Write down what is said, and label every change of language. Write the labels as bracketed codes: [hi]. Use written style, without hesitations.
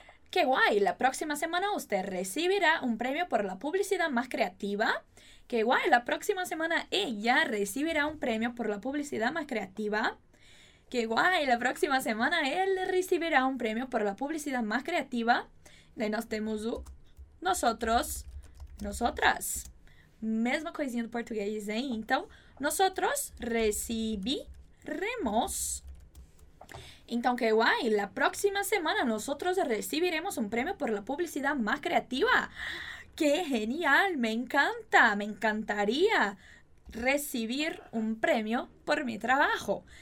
[es] Qué guay, la próxima semana usted recibirá un premio por la publicidad más creativa. Qué guay, la próxima semana ella recibirá un premio por la publicidad más creativa. Qué guay, la próxima semana él recibirá un premio por la publicidad más creativa. De nos tenemos nosotros, nosotras. [pt] Mesma coisinha do português, hein? [es] Então, nosotros recibiremos. Então, que guay, la próxima semana nosotros recibiremos un premio por la publicidad más creativa. ¡Qué genial! ¡Me encanta! ¡Me encantaría recibir un premio por mi trabajo!